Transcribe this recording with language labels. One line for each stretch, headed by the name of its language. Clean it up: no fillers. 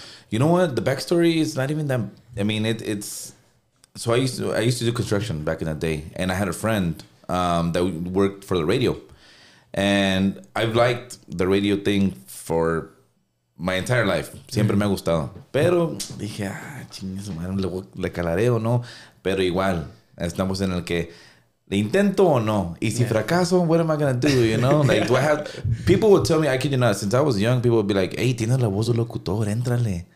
English: You know what? The backstory is not even that. I mean, it's, so I used to do construction back in the day. And I had a friend that worked for the radio. And I've liked the radio thing for my entire life.
Spanish: Siempre me ha gustado. Pero dije, ah, chingues, man, le calaré o no. Pero igual, estamos en el que, ¿le intento o no?
English: Y si fracaso, what am I going to do, you know? Like, do I have, people would tell me, I kid you not, since I was young, people would be like, hey,
Spanish: tienes la voz de locutor, éntrale.